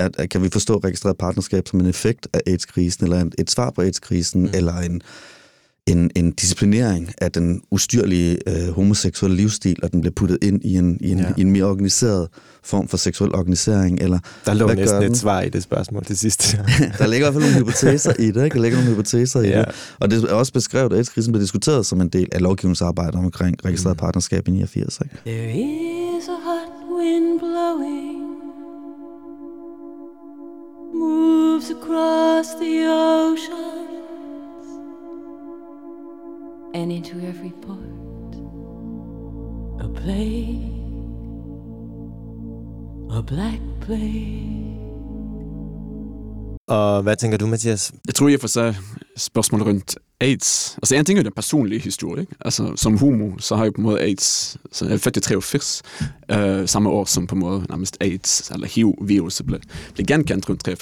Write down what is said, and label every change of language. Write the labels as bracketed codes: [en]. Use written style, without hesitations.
[da] Kan vi forstå registreret partnerskab som en effekt af AIDS-krisen, eller et svar på AIDS-krisen, eller en disciplinering af den ustyrlige homoseksuelle livsstil, og den bliver puttet ind i en mere organiseret form for seksuel organisering? Eller, der lå næsten et svar i det spørgsmål til sidst. Der ligger i hvert fald nogle hypoteser i det, ikke? Der ligger nogle hypoteser i det. Og det er også beskrevet, at AIDS-krisen blev diskuteret som en del af lovgivningsarbejdet omkring registreret partnerskab i 89. Ikke? [en] There is a hot wind blowing, moves across the ocean, and into every port, a plague, a black plague. [da] Og hvad tænker du, Mathias? Jeg tror, jeg får så spørgsmål rundt AIDS. Altså, en ting er jo den personlige historie. Ikke? Altså, som homo, så har jeg på en måde AIDS, så jeg er født i 83, samme år som på en måde nærmest AIDS, eller HIV-virus, blev genkendt rundt 83-84.